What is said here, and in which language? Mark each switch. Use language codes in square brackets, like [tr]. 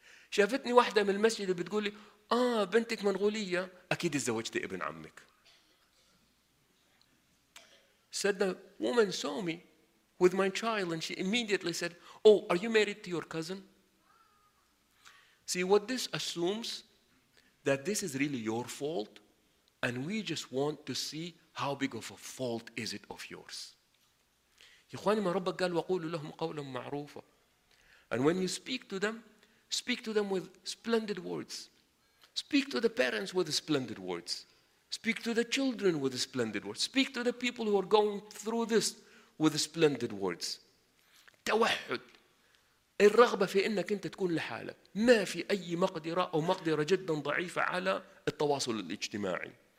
[ar] شافتني واحدة من المسجد بتقول لي, آه بنتك منغولية, أكيد اتزوجت ابن عمك. [en] Said the woman saw me with my child and she immediately said, oh, are you married to your cousin? See, what this assumes, that this is really your fault and we just want to see how big of a fault is it of yours? [ar] إخواني ما ربك قال وقولوا لهم قولا معروفا. [en] And when you speak to them with splendid words. Speak to the parents with splendid words. Speak to the children with splendid words. Speak to the people who are going through this with splendid words. توحد. [ar] الرغبة في أنك أنت تكون لحالك، ما في أي مقدرة أو مقدرة جدا ضعيفة على التواصل الاجتماعي.